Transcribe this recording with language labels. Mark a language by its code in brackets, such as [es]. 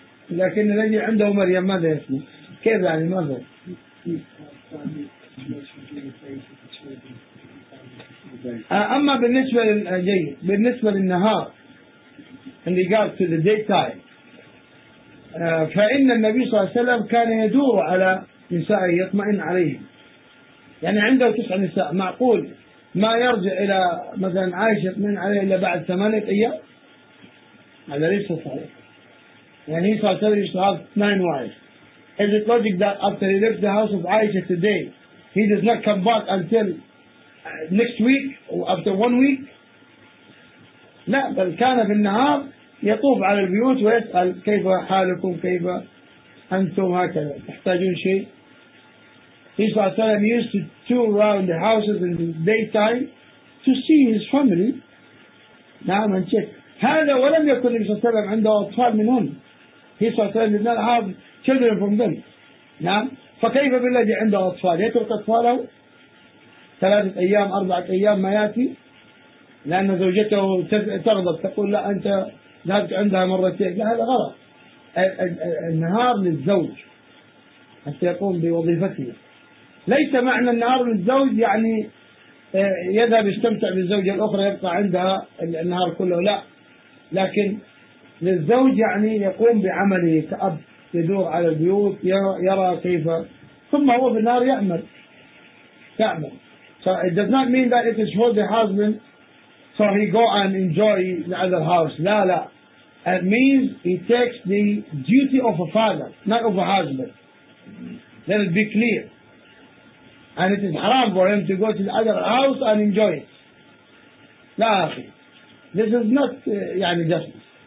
[ar] لكن الذي عنده مريم ماذا يسمى؟ كيف يعني ماذا؟ أما بالنسبة للجيد بالنسبة للنهار اللي قال [en] to the daytime, [ar] فإن النبي صلى الله عليه وسلم كان يدور على نسائه يطمئن عليهم. يعني عنده 9 نساء, معقول ما يرجع إلى مثلا عائشة يطمئن عليه إلا بعد 8 أيام؟ هذا ليس صحيح. يعني صلى الله عليه وسلم 9 [en] wives. Is it logic that after he left the house of Aisha today, he does not come back until next week or after 1 week? [ar] لا, بل كان في النهار يطوف على البيوت ويسأل كيف حالكم, كيف أنتم, هكذا تحتاجون شيء. [en] He [ar] صلى الله عليه وسلم [en] used to tour around the houses in the daytime to see his family. نعم and check. [ar] هذا ولم يكن صلى الله عليه وسلم عنده أطفال منهم. [en] He [ar] صلى الله عليه وسلم [en] did not have children from them. [ar] نعم فكيف بالذي عنده أطفال؟ يترك أطفاله 3 أيام 4 أيام ما يأتي, لأن زوجته تغضب تقول لا أنت ذهبت عندها مرتين. لا هذا غلط. النهار للزوج حتى يقوم بوظيفته. ليس معنى النهار للزوج يعني يذهب يستمتع بالزوجة الأخرى يبقى عندها النهار كله, لا, لكن للزوج يعني يقوم بعمله كأب, يدور على البيوت يرى كيف, ثم هو في النهار يعمل. [en] So it does not mean that it is for the husband so he go and enjoy the other house. لا it means he takes the duty of a father, not of a husband. Let it be clear. And it is haram for him to go to the other house and enjoy it. [ar] لا أخي, [en] this is not justice.